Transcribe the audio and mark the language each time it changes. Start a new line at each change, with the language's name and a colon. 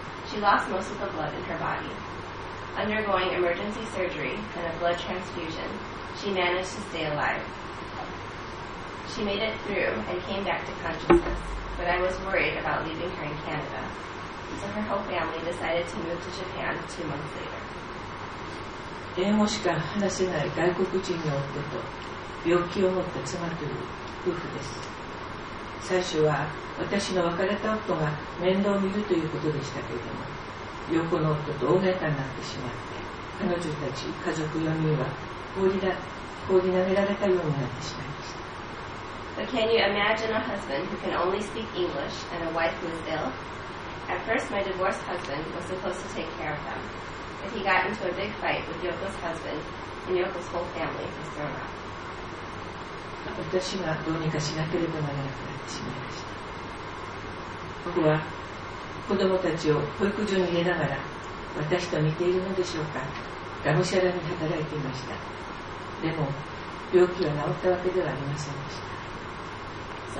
English: She lost most of the blood in her body. Undergoing emergency surgery and a blood transfusion, she managed to stay alive. She made it through and came back to consciousness, but I was worried about leaving her in Canada. So her whole family decided to move to Japan 2 months later.
Japanese: 英語しか話せない外国人の夫と病気を持った妻という夫婦です。最初は私の別れた夫が面倒を見るということでしたけれども、陽子の夫と大喧嘩になってしまって、彼女たち家族4人は放り投げられたようになってしまいました。
English: But can you imagine a husband who can only speak English and a wife who is ill? At first, my divorced husband was supposed to take care of them. He got into a big fight with Yoko's husband, and Yoko's whole family was thrown out.
Japanese: 私がどうにかしなければならなくなってしまいました。僕は子供たちを保育所に入れながら、私と見ているのでしょうか。がむしゃらに働いていました。でも病気は治ったわけではありませんでした。